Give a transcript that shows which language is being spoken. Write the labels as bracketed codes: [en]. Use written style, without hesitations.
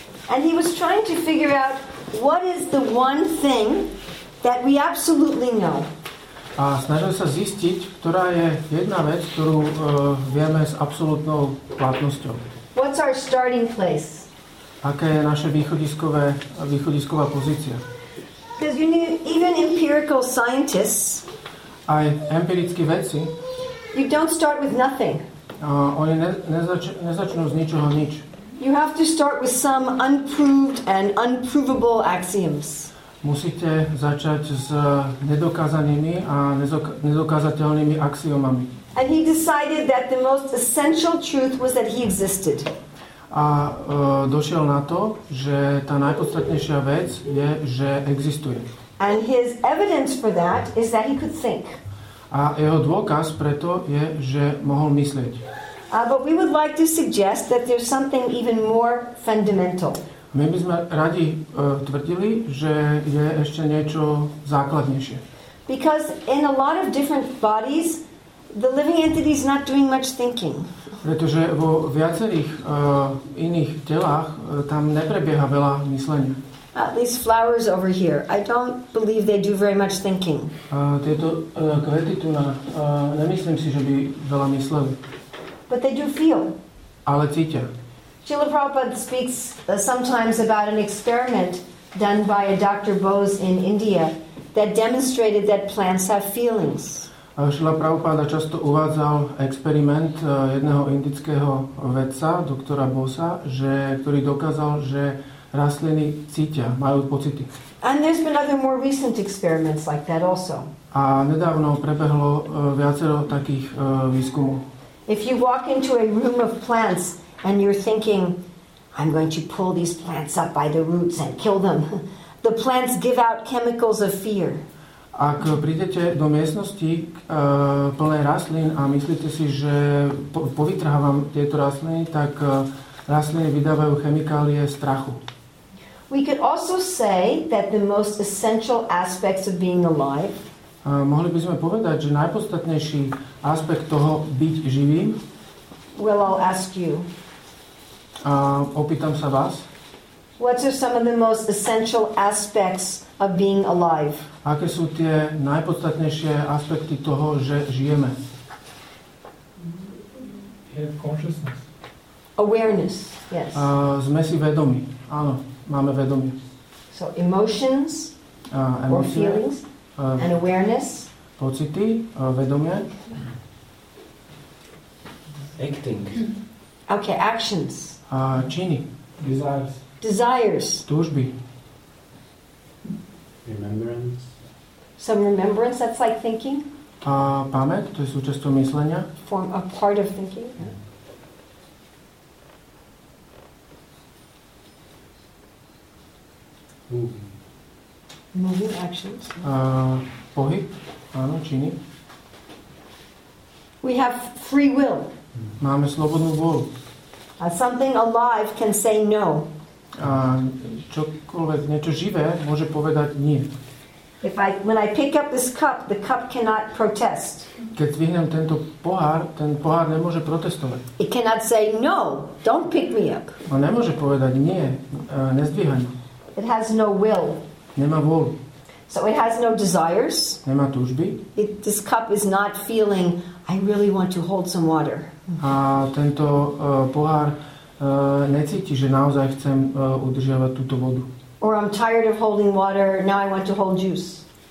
[en] And he was trying to figure out what is the one thing that we absolutely know. [sk] A snažil sa zistiť, ktorá je jedna vec, ktorú vieme s absolútnou platnosťou. [en] What's our starting place? [sk] Aké je naše východisková pozícia? [en] Because you need even empirical scientists. [sk] Aj empirickí vedci. [en] You don't start with nothing. [sk] Oni nezačnú z ničoho nič. [en] You have to start with some unproved and unprovable axioms. [sk] Musíte začať s nedokázanými a nedokázateľnými axiomami. [en] And he decided that the most essential truth was that he existed. [sk] A došiel na to, že tá najpodstatnejšia vec je, že existuje. [en] And his evidence for that is that he could think. [sk] A jeho dôkaz preto je, že mohol myslieť. [en] But we would like to suggest that there's something even more fundamental. [sk] My by sme radi tvrdili, že je ešte niečo základnejšie. [en] Because in a lot of different bodies, the living entity is not doing much thinking. [sk] Pretože vo viacerých iných telách tam neprebieha veľa myslenia. [en] At least flowers over here. I don't believe they do very much thinking. [sk] Tieto kvety tu na, nemyslím si, že by veľa mysleli. [en] But they do feel. [sk] Ale cítia. [en] Srila Prabhupada speaks sometimes about an experiment done by a Dr. Bose in India that demonstrated that plants have feelings. [sk] Srila Prabhupada často uvádzal experiment jedného indického vedca, doktora Bosa, ktorý dokázal, že rastliny cítia, majú pocity. [en] And there's been other more recent experiments like that also. [sk] A nedávno prebehlo viacero takých výskumov. [en] If you walk into a room of plants, and you're thinking, I'm going to pull these plants up by the roots and kill them. The plants give out chemicals of fear. [sk] Ak prídete do miestnosti plnej rastlín a myslíte si, že povytrhávam tieto rastliny, tak rastliny vydávajú chemikálie strachu. [en] We could also say that the most essential aspects of being alive. [sk] Mohli by sme povedať, že najpodstatnejší aspekt toho byť živým. [en] Well, I'll ask you. [sk] Opýtam sa vás. [en] What are some of the most essential aspects of being alive? [sk] Aké sú tie najpodstatnejšie aspekty toho, že žijeme? [en] Have consciousness. Awareness, yes. [sk] Sme si vedomí. Áno, máme vedomie. [en] So emotions, [sk] emócie, [en] or feelings, and awareness. [sk] Pocity, vedomie. [en] Acting. Okay, actions. [sk] Činy. [en] Desires. Desires. [sk] Túžby. [en] Remembrance. Some remembrance, that's like thinking. [sk] Pamäť, to je súčasťou myslenia. [en] Form a part of thinking. Yeah. Movement, actions. [sk] Pohyb, áno, činy. [en] We have free will. [sk] Máme slobodnú vôľu. [en] Something alive can say no. [sk] Čokoľvek, niečo živé môže povedať nie. [en] If I, when I pick up this cup, the cup cannot protest. [sk] Keď zvihnem tento pohár, ten pohár nemôže protestovať. [en] It cannot say no, don't pick me up. [sk] On nemôže povedať nie, nezdvíhaj ma. [en] It has no will. [sk] Nemá vôľu. [en] So it has no desires. [sk] Nemá túžby. [en] It, this cup is not feeling I really want to hold some water. [sk] A tento pohár necíti, že naozaj chcem udržiavať túto vodu. [en] Or I'm tired of holding water, now I want to hold juice.